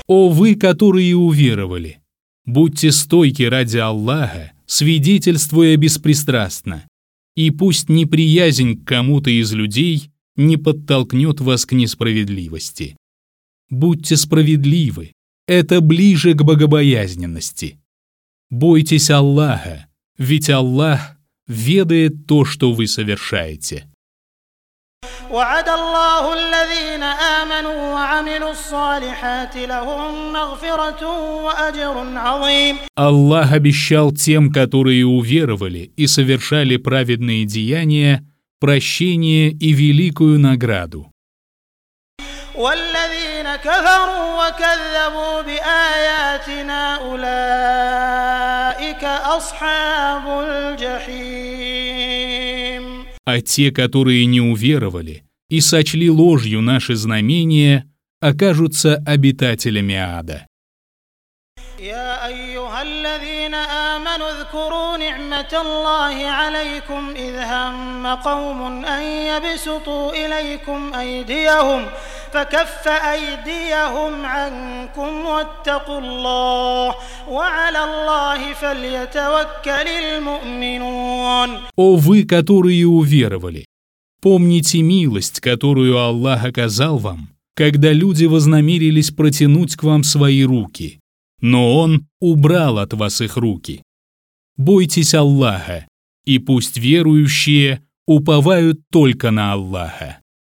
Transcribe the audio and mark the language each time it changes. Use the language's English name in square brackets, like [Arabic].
[Russian] О вы, которые уверовали, будьте стойки ради Аллаха, свидетельствуя беспристрастно, и пусть неприязнь к кому-то из людей не подтолкнет вас к несправедливости. Будьте справедливы, это ближе к богобоязненности. Бойтесь Аллаха, ведь Аллах ведает то, что вы совершаете. [Arabic] وعد الله الذين آمنوا وعملوا الصالحات لهم مغفرة وأجر عظيم. [Russian] Аллах обещал тем, которые уверовали и совершали праведные деяния, прощение и великую награду. [Arabic] والذين كفروا وكذبوا بآياتنا أولئك أصحاب الجحيم. [Russian] А те, которые не уверовали и сочли ложью наши знамения, окажутся обитателями ада. [Arabic] يا أيها الذين آمنوا اذكروا نعمة الله عليكم إذ هم قوم أن يبسطوا إليكم أيديهم فكف أيديهم عنكم واتقوا الله وعلى الله فليتوكل المؤمنون. [Russian] О вы, которые уверовали, помните милость, которую Аллах оказал вам, когда люди вознамерились протянуть к вам свои руки. Но Он убрал от вас их руки. Бойтесь Аллаха, и пусть верующие уповают только на Аллаха.